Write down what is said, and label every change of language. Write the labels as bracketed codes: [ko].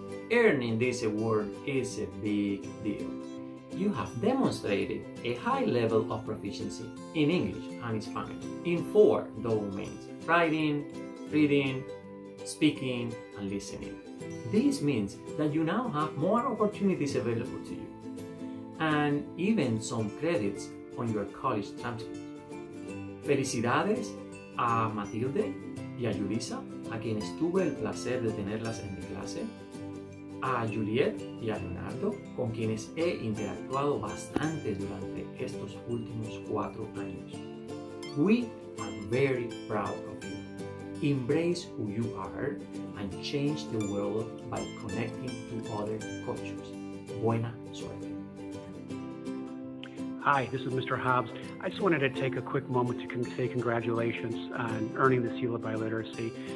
[en] Earning this award is a big deal. You have demonstrated a high level of proficiency in English and Spanish in four domains: writing, reading, speaking, and listening. This means that you now have more opportunities available to you, and even some credits on your college transcript. [es] Felicidades a Matilde y a Julisa, a quienes tuve el placer de tenerlas en mi clase, a Juliet y a Leonardo, con quienes he interactuado bastante durante estos últimos 4 años. [en] We are very proud of you. Embrace who you are and change the world by connecting to other cultures. [es] Buena suerte. [en] Hi, this is Mr. Hobbs. I just wanted to take a quick moment to say congratulations on earning the Seal of Biliteracy.